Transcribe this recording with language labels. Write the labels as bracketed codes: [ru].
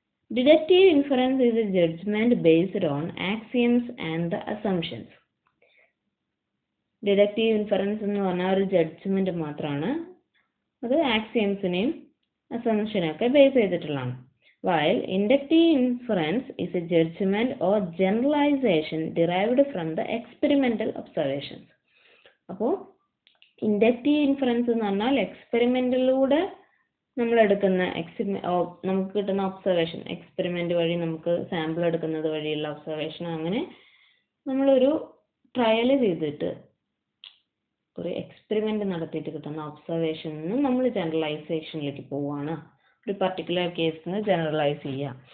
[en] Deductive inference is a judgement based on axioms and the assumptions. [ml] Deductive inference എന്ന് പറഞ്ഞാൽ ഒരു judgement മാത്രമാണ്, അത് ആക്സിയംസിനെയും അസംഷനെയും ഒക്കെ ബേസ് ചെയ്തിട്ടുള്ളതാണ്. [en] While inductive inference is a judgment or generalization derived from the experimental observations. [ml] അപ്പോൾ inductive inference എന്ന് പറഞ്ഞാൽ എക്സ്പെരിമെൻറ്റിലൂടെ നമ്മളെടുക്കുന്ന നമുക്ക് കിട്ടുന്ന ഒബ്സർവേഷൻ, എക്സ്പെരിമെൻ്റ് വഴി നമുക്ക് സാമ്പിൾ എടുക്കുന്നത് വഴിയുള്ള ഒബ്സർവേഷൻ, അങ്ങനെ നമ്മളൊരു ട്രയൽ ചെയ്തിട്ട് ഒരു എക്സ്പെരിമെൻ്റ് നടത്തിയിട്ട് കിട്ടുന്ന ഒബ്സർവേഷൻ നിന്ന് നമ്മൾ ജനറലൈസേഷനിലേക്ക് പോവുകയാണ്, ഒരു പർട്ടിക്കുലർ കേസിൽ നിന്ന് ജനറലൈസ് ചെയ്യുക.